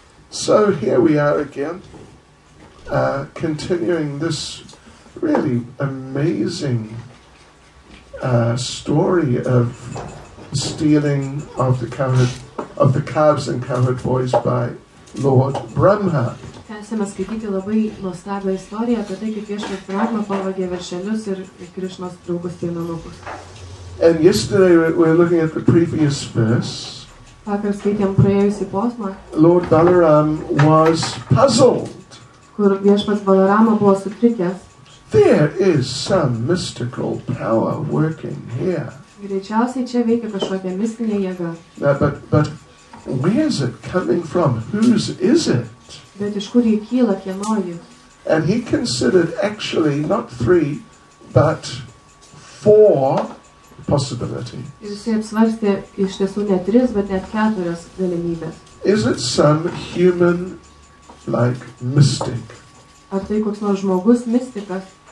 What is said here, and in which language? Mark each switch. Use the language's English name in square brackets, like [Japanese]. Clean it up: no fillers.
[English] So, here we are again, continuing this really amazing story of stealing of the cowherd, of the calves and cowherd boys by Lord Brahma. [Lithuanian] Esame skaityti labai nuostabią istoriją apie tai, kaip viešpats Brahma pavagė veršelius ir Krišnos draugus pienanukus. [English] And yesterday we were looking at the previous verse. [Lithuanian] Vakar skaitėm praėjusį posmą. [English] Lord Balaram was puzzled. [Lithuanian] Kur viešpats Balarama buvo sutrikęs. [English] There is some mystical power working here. [Lithuanian] Greičiausiai čia veikia kažkokia mistinė jėga. [English] But where is it coming from? Whose is it? [Lithuanian] Bet iš kur jį kyla, kieno jį? [English] And he considered actually not three, but four possibilities. [Lithuanian] Jis apsvarstė iš tiesų ne tris, bet net keturias galimybės. [English] Is it some human-like mystic? [Lithuanian] Ar tai koks nors žmogus mystikas?